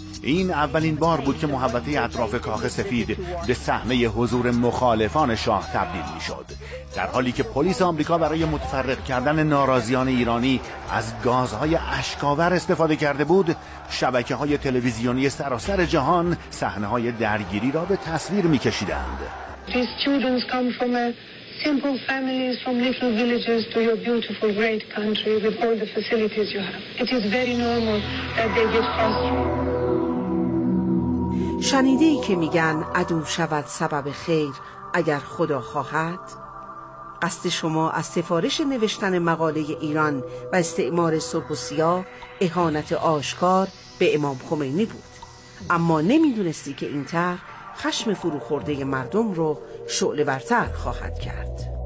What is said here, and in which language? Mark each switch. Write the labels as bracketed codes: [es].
[fa] این اولین بار بود که محوطه اطراف کاخ سفید به صحنه حضور مخالفان شاه تبدیل می شد، در حالی که پلیس آمریکا برای متفرق کردن ناراضیان ایرانی از گازهای اشکاور استفاده کرده بود. شبکه های تلویزیونی سراسر جهان صحنه های درگیری را به تصویر می کشیدند. [en] Simple families from little villages to your beautiful great country with all the facilities you have. It is very normal that they get frustrated. [fa] شنیده ای که میگن عدو شود سبب خیر اگر خدا خواهد؟ قصد شما از سفارش نوشتن مقاله ایران و استعمار سرخ و سیاه اهانت آشکار به امام خمینی بود، اما نمیدونستی که این طرح خشم فرو خورده مردم رو شعله ورتر خواهد کرد.